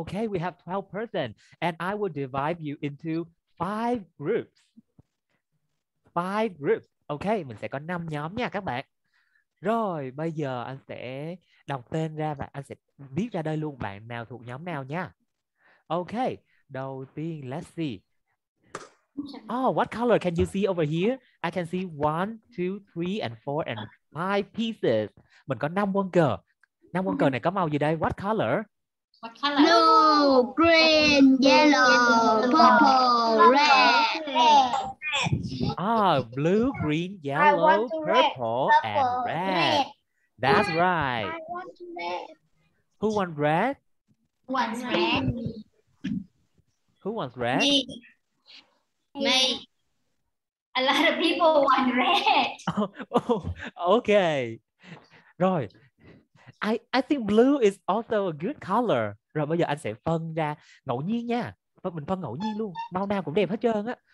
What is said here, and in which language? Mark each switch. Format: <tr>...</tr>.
<en>Okay, we have 12 person and I will divide you into 5 groups. 5 groups.</en> <vi>Okay, mình sẽ có 5 nhóm nha các bạn. Rồi, bây giờ anh sẽ đọc tên ra và anh sẽ viết ra đây luôn bạn nào thuộc nhóm nào nha.</vi> <en>Okay,</en> <vi>đầu tiên</vi> <en>let's see. Oh, what color can you see over here? I can see 1, 2, 3 and 4 and 5 pieces.</en> <vi>Mình có 5 quân cờ. 5 quân cờ này có màu gì đây?</vi> <en>What color? What color? Blue, green, yellow, purple, red. Ah, blue, green, yellow, purple, and red. That's right. I want red. Who wants red? Wants red. Who wants red? Me. A lot of people want red. Okay. Rồi. I think blue is also a good color.</en> <vi>Rồi bây giờ anh sẽ phân ra ngẫu nhiên nha. Mình phân ngẫu nhiên luôn. Màu nào cũng đẹp hết trơn á.</vi>